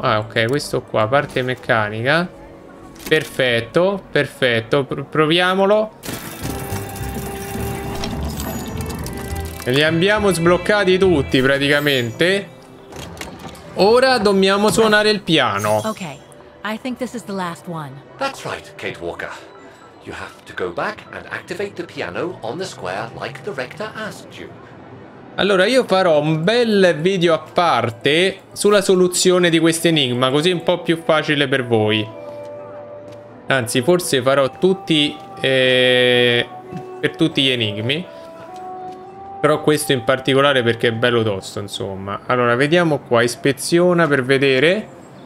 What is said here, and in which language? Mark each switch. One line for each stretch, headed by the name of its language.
Italian: Ah, ok, questo qua, parte meccanica. Perfetto, perfetto. Proviamolo. Li abbiamo sbloccati tutti, praticamente. Ora dobbiamo suonare il piano. Ok.
English: I think this is the last one. That's right, Kate Walker. You have to go back and activate the piano on the square like the rector asked you.
Italian: Allora, io farò un bel video a parte sulla soluzione di questo enigma, così è un po' più facile per voi. Anzi, forse farò tutti per tutti gli enigmi. Però questo in particolare perché è bello tosto, insomma. Allora, vediamo qua, ispeziona per vedere.